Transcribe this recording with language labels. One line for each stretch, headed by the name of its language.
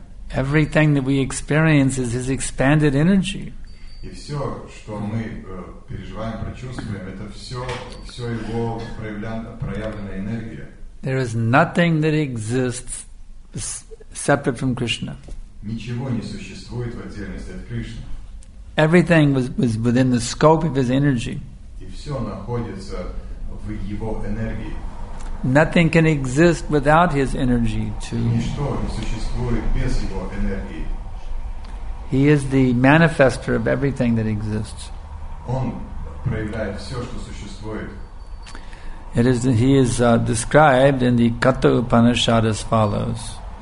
English: Everything that we experience is his expanded energy.
Russian: И все, что мы переживаем, прочувствуем, это все его проявленная энергия.
English: There is nothing that exists separate from Krishna.
Russian: Ничего не существует в отдельности от Кришны.
English: Everything was within the scope of his energy.
Russian: И все находится в его энергии.
English: Nothing can exist without his energy too.
Russian: Ничто не существует без его энергии.
English: He is the manifester of everything that exists.
Russian: Он проявляет все, что существует.
English: He is described in the Katha Upanishad as follows.